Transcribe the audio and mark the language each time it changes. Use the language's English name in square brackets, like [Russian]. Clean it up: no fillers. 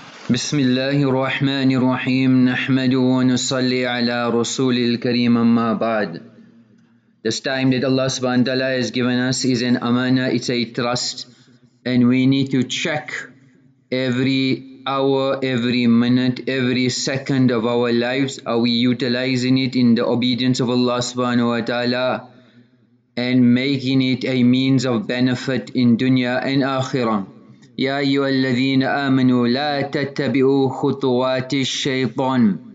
[Arabic] بسم الله الرحمن الرحيم نحمد ونصلي على رسول الكريم أما بعد. [English] This time that Allah subhanahu wa ta'ala has given us is an amana, it's a trust, and we need to check every hour, every minute, every second of our lives. Are we utilizing it in the obedience of Allah subhanahu wa ta'ala and making it a means of benefit in dunya and akhirah? [Arabic] يا أيها الذين آمنوا لا تتبعوا خطوات الشيطان.